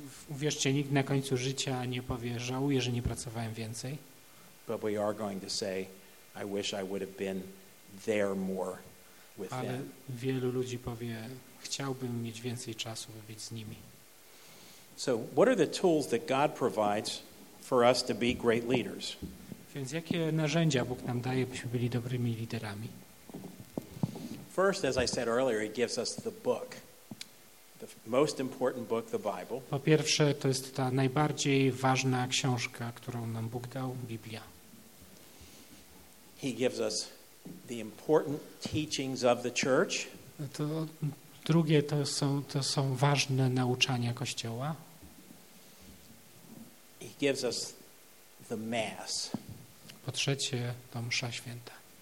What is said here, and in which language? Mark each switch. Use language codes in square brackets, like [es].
[pl] Uwierzcie, nikt na końcu życia nie powie, żałuję, że nie pracowałem więcej. [en] But we are going to say, I wish I would have been there more with them. [pl] Ale wielu ludzi powie, chciałbym mieć więcej czasu, by być z nimi. [en] So, what are the tools that God provides for us to be great leaders? [pl] Więc jakie narzędzia Bóg nam daje, byśmy byli dobrymi liderami? [en] First, as I said earlier, he gives us the book. The most important book, the Bible. [pl] Po pierwsze, to jest ta najbardziej ważna książka, którą nam Bóg dał, Biblia. [en] He gives us the important teachings of the church. [pl] To drugie, to są ważne nauczania Kościoła. [en] He gives us the mass. [pl] Po trzecie, to msza święta.